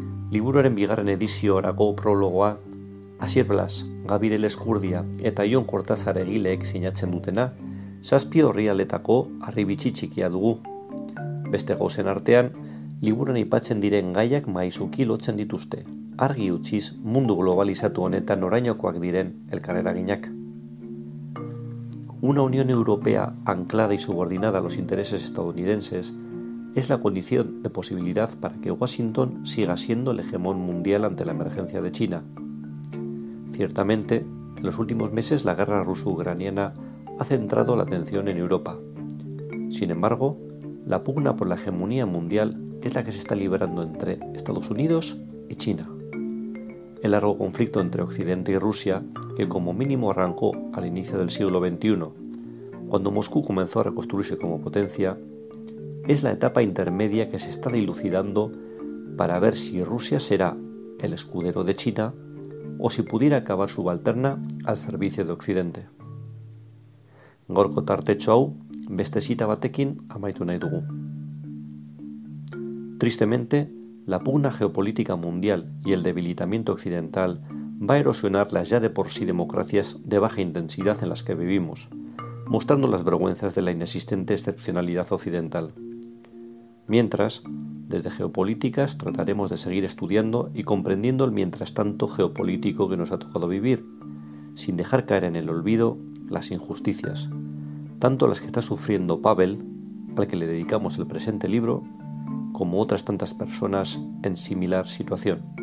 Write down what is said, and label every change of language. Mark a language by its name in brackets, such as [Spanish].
[Basque] Liburuaren bigarren edizioarako prologoa Asier Blas, Gabire Leskurdia eta Jon Kortazar egileek sinatzen dutena, 7 orrialdetako harribitxi txikia dugu. Beste gauzen artean, liburuan aipatzen diren gaiak maizuki lotzen dituzte, argi utziz mundu globalizatu honetan orainokoak diren elkarreraginak. [Spanish] Una Unión Europea anclada y subordinada a los intereses estadounidenses es la condición de posibilidad para que Washington siga siendo el hegemón mundial ante la emergencia de China. Ciertamente, en los últimos meses la guerra ruso-ucraniana ha centrado la atención en Europa. Sin embargo, la pugna por la hegemonía mundial es la que se está librando entre Estados Unidos y China. El largo conflicto entre Occidente y Rusia, que como mínimo arrancó al inicio del siglo XXI, cuando Moscú comenzó a reconstruirse como potencia, es la etapa intermedia que se está dilucidando para ver si Rusia será el escudero de China o si pudiera acabar subalterna al servicio de Occidente. [Basque] Gorko tartetxo hau, beste zita batekin amaitu nahi dugu. [Spanish] Tristemente, la pugna geopolítica mundial y el debilitamiento occidental va a erosionar las ya de por sí democracias de baja intensidad en las que vivimos, mostrando las vergüenzas de la inexistente excepcionalidad occidental. Mientras, desde geopolíticas trataremos de seguir estudiando y comprendiendo el mientras tanto geopolítico que nos ha tocado vivir, sin dejar caer en el olvido las injusticias, tanto las que está sufriendo Pavel, al que le dedicamos el presente libro, como otras tantas personas en similar situación.